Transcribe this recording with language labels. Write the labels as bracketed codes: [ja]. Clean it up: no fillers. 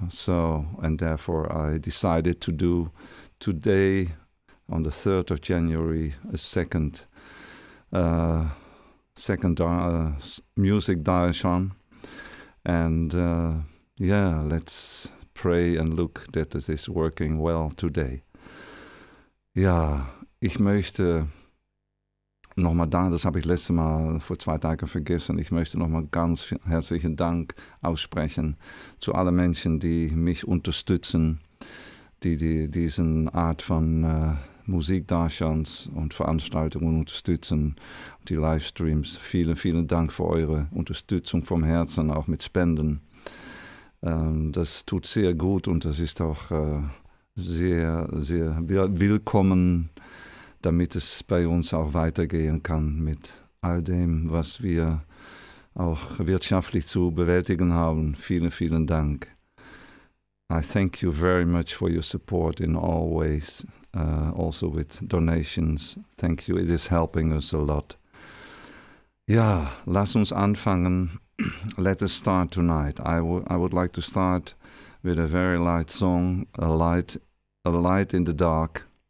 [en] So, and therefore I decided to do today, on the 3rd of January, a second music darshan, and yeah, let's pray and look that this is working well today. [de] Ja, ich möchte nochmal da, das habe ich letzte Mal vor 2 Tagen vergessen, ich möchte nochmal ganz herzlichen Dank aussprechen zu allen Menschen, die mich unterstützen, die diesen Art von Musik-Darshans und Veranstaltungen unterstützen, die Livestreams. Vielen, vielen Dank für eure Unterstützung vom Herzen, auch mit Spenden. Das tut sehr gut und das ist auch sehr, sehr willkommen, damit es bei uns auch weitergehen kann mit all dem, was wir auch wirtschaftlich zu bewältigen haben. Vielen, vielen Dank. [en] I thank you very much for your support in all ways. Also with donations. Thank you. It is helping us a lot. [de] Ja, lass uns anfangen. [en] Let us start tonight. I would like to start with a very light song, a light in the dark.